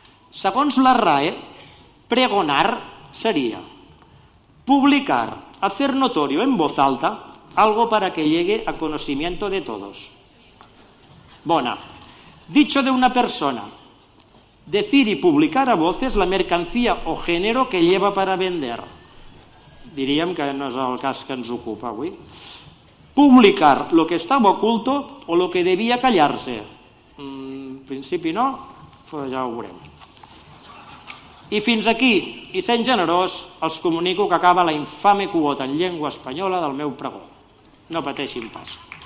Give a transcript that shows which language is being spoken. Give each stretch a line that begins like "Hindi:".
Catalan: Segons la RAE, pregonar seria publicar,
Spanish: hacer notorio en voz alta algo para que llegue a conocimiento de todos. Bona. Dicho de una persona, decir y publicar a voces la mercancía o género que lleva para vender.
Catalan: Diríem que no és el cas que ens ocupa avui.
Spanish: Publicar lo que estaba oculto o lo que debía callarse.
Catalan: En principi no, però ja ho veurem. I fins aquí, i sent generós, els comunico que acaba la infame quota en llengua espanyola del meu pregó. No pateixin pas.